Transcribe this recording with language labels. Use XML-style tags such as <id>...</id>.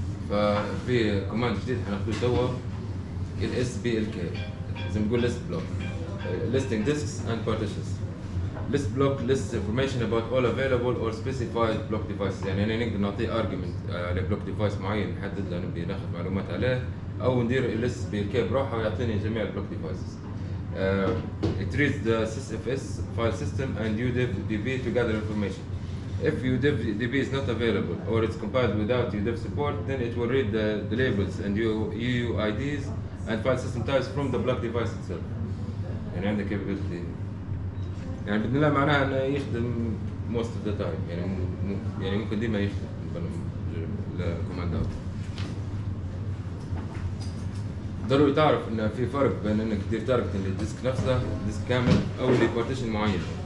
<ar>ففي كوماند جديد حناخذوه توا ال اس بي ال كي زي ما نقول</ar> <en>List block listing disks and partitions. List block list information about all available or specified block device.</en> <ar>يعني انا نقدر نعطي ارجيومنت على بلوك ديفايس معين نحدد له نبي ناخذ معلومات عليه او ندير ال اس بي ال كي بروحه ويعطيني جميع البلوك ديفايسز.</ar> <en>It reads the SysFS file system and UDevDB to gather information. If UDevDB is not available or it's compiled without UDev support, then it will read the labels and UUIDs and file system types from the block device itself.</en> <ar>يعني عنده capability. يعني بإذن الله معناها أنه يخدم</ar> <en>most of the time.</en> <ar>يعني ممكن ديما يخدم الكوماند اوت. ضروري تعرف ان في فرق بين انك تدير تارجت للديسك نفسه ديسك كامل او لبارتيشن معين.</ar>